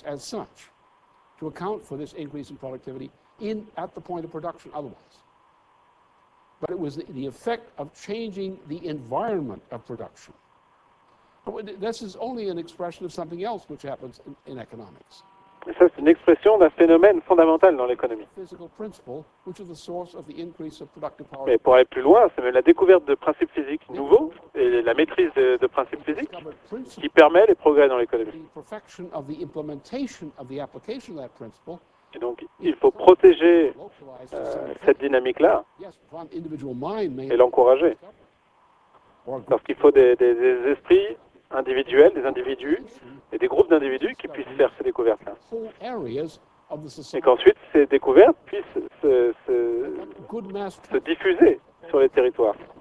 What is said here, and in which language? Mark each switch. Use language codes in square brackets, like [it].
[en] To account for this increase in productivity in at the point of production otherwise. But it was the effect of changing the environment of production. But this is only an expression of something else which happens in economics. [fr] Et ça, c'est une expression d'un phénomène fondamental dans l'économie. [en] Physical principle, which is the source of the increase of productive power. [fr] Mais pour aller plus loin, c'est même la découverte de principes physiques nouveaux et la maîtrise de principes physiques qui permet les progrès dans l'économie. [en] The perfection of the implementation of the application of that principle. [fr] Et donc, il faut protéger cette dynamique-là et l'encourager. Parce qu'il faut des esprits individuels, des individus et des groupes d'individus qui puissent faire ces découvertes-là. Et qu'ensuite, ces découvertes puissent se diffuser sur les territoires.